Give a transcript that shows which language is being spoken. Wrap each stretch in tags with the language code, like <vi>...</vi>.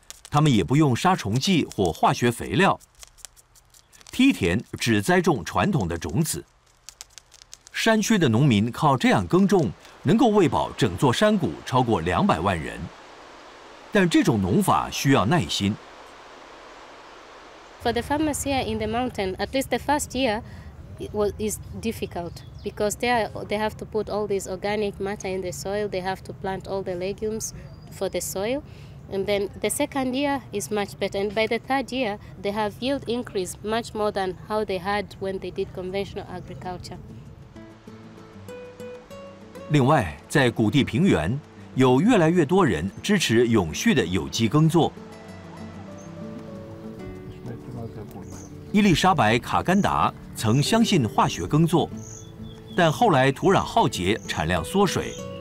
<zh>他们也不用杀虫剂或化学肥料，梯田只栽种传统的种子。山区的农民靠这样耕种能够喂饱整座山谷超过200万人。但这种农法需要耐心。</zh> <en>For the farmers here in the mountain, at least the first year, is difficult because they have to put all this organic matter in the soil. They have to plant all the legumes for the soil, and then the second year is much better. And by the third year, they have yield increase much more than how they had when they did conventional agriculture.</en> <zh>另外，在谷地平原。有越来越多人支持永续的有机耕作。伊丽莎白·卡甘达曾相信化学耕作，但后来土壤耗竭，产量缩水。</zh>